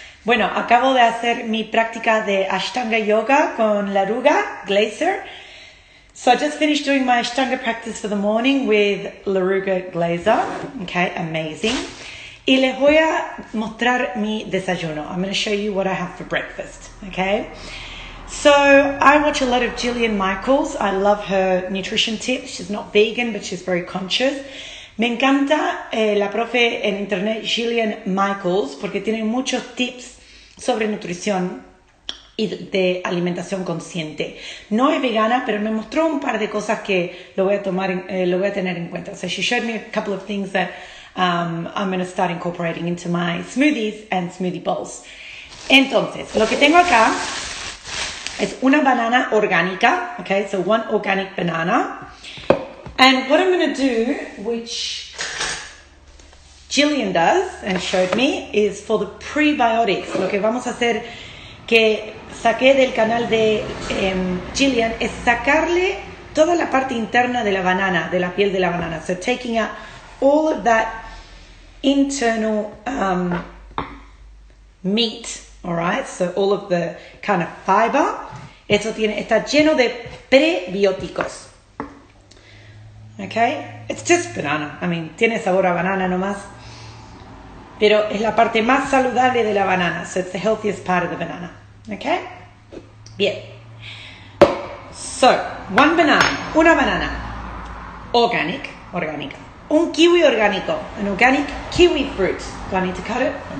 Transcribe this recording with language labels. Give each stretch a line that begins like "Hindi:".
Spanish: Bueno, acabo de hacer mi práctica de Ashtanga Yoga con la Laruga Glaser.
English: So I just finished doing my Ashtanga practice for the morning with Laruga Glaser. Okay, amazing.
Spanish: Y les voy a mostrar mi desayuno.
English: I'm going to show you what I have for breakfast. Okay. So I watch a lot of Jillian Michaels. I love her nutrition tips. She's not vegan, but she's very conscious.
Spanish: Me encanta la profe en internet Jillian Michaels porque tiene muchos tips sobre nutrición y de alimentación consciente. No es vegana, pero me mostró un par de cosas que lo voy a tomar, lo voy a tener en cuenta.
English: So she showed me a couple of things that I'm going to start incorporating into my smoothies and smoothie bowls.
Spanish: Entonces, lo que tengo acá es una banana orgánica, okay?
English: So one organic banana. And what I'm going to do, which Jillian does and showed me, is for the prebiotics.
Spanish: Lo que vamos a hacer que saqué del canal de Jillian es sacarle toda la parte interna de la banana, de la piel de la banana.
English: So taking out all of that internal meat, all right? So all of the kind of fiber.
Spanish: Eso tiene, está lleno de prebióticos.
English: Okay, it's just banana. I mean,
Spanish: tiene sabor a banana nomás. Pero es la parte más saludable de la banana.
English: So it's the healthiest part of the banana. Okay? Bien. So, one banana.
Spanish: Una banana. Organic. Orgánica. Un kiwi orgánico.
English: An organic kiwi fruit. Do I need to cut it?